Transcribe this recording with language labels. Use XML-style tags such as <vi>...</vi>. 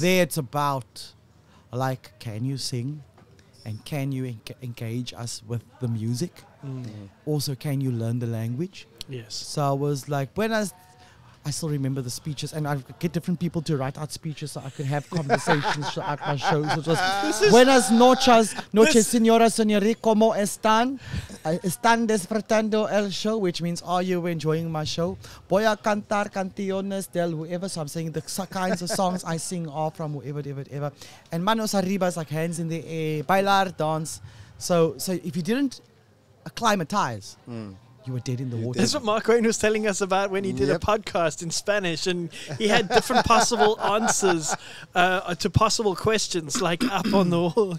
<en>There it's about, like, can you sing and can you engage us with the music? Mm. Also, can you learn the language? Yes. So I was like, I still remember the speeches, and I'd get different people to write out speeches so I could have conversations throughout my shows. It was,</en> <es>buenas noches, señoras, señores, ¿cómo están? Están disfrutando el show,</es> <en>which means, are you enjoying my show?</en> <es>Voy a cantar canciones del whoever.</es> <en>So I'm saying the kinds of songs I sing are from whoever. And</en> <es>manos arriba</es> <en>is like hands in the air,</en> <es>bailar,</es> <en>dance. So if you didn't acclimatize, you were dead in the water. That's what Mark Wayne was telling us about when he did a podcast in Spanish, and he had different possible answers to possible questions, like up on the wall.</en>